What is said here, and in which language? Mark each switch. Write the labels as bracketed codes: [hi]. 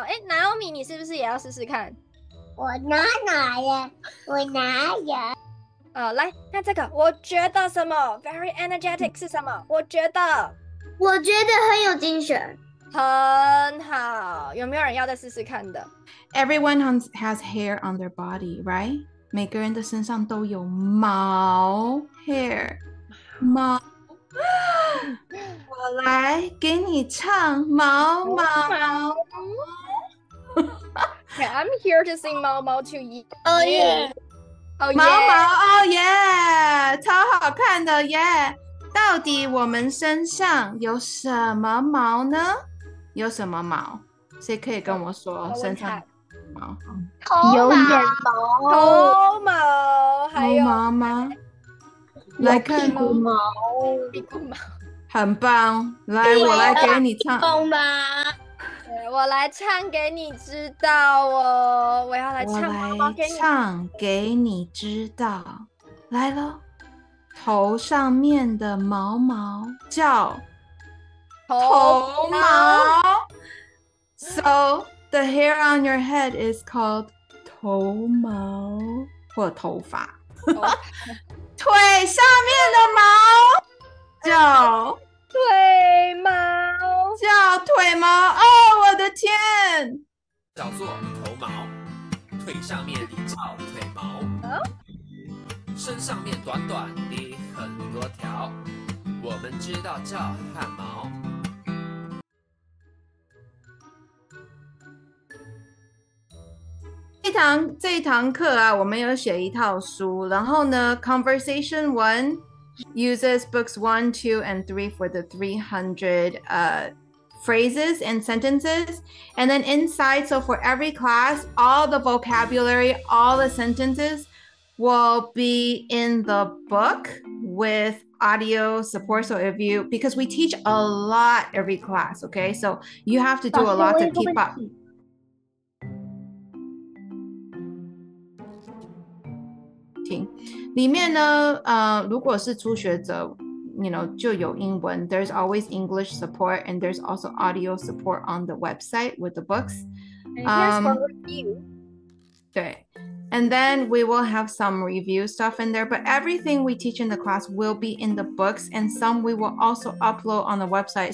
[zh] 哎 ，Naomi， 你是不是也要试试看？我拿呀。来，那这个我觉得什么 ？ [en] Very energetic [zh] 是什么？我觉得很有精神，很好。有没有人要再试试看的 [en] ？Everyone has hair on their body, right？ [zh] 每个人的身上都有毛 hair， 毛。我来给你唱毛毛。毛 [en] okay, I'm here to sing 毛毛 to you. Oh yeah. Oh, yeah. [zh] 毛毛 ， [en] Oh yeah， [zh] 超好看的耶！ [en] Yeah. [zh] 到底我们身上有什么毛呢？有什么毛？谁可以跟我说身上有毛？有眼毛，头毛，还有毛吗？来看屁股毛，屁股毛，很棒！来，我来给你唱。棒吗？我来唱给你知道哦，我要来唱毛毛给你，唱给你知道，来喽，头上面的毛毛叫头毛 [en] ，So the hair on your head is called [zh] 头毛或头发，腿上面的毛叫。腿毛哦，我的天！叫做头毛，腿上面叫腿毛，身上面短短的很多条，我们知道叫汗毛。这一堂课啊，我们有写一套书，然后呢 ，Conversation One。 [en] Uses books 1, 2, and 3 for the 300 phrases and sentences. And then inside, so for every class, all the vocabulary, all the sentences will be in the book with audio support. So if you, because we teach a lot every class, okay? So you have to do a lot to keep up. Okay. [zh] 里面呢，如果是初学者 ， [en] you know， [zh] 就有英文。 [en] There's always English support, and there's also audio support on the website with the books. And here's for review. 对 ，and then we will have some review stuff in there. But everything we teach in the class will be in the books, and some we will also upload on the website.